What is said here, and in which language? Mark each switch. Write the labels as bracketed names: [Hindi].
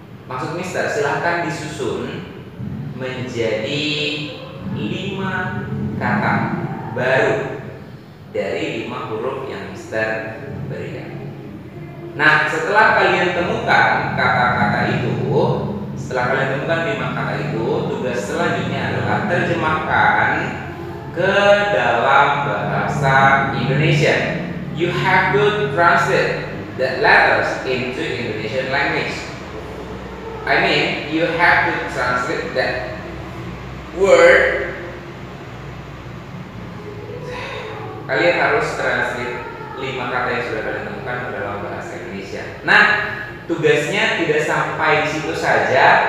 [Indonesian] Maksud Mister, silakan disusun menjadi 5 kata baru dari 5 huruf yang Mister berikan. Nah, setelah kalian temukan kata-kata itu, setelah kalian temukan 5 kata itu, tugas selanjutnya adalah terjemahkan ke dalam bahasa Indonesia. [English] You have to translate the letters into Indonesian language. I mean, you have to translate that word. [Indonesian] Kalian harus translate 5 kata yang sudah kalian temukan ke dalam bahasa Indonesia. Nah, tugasnya tidak sampai di situ saja.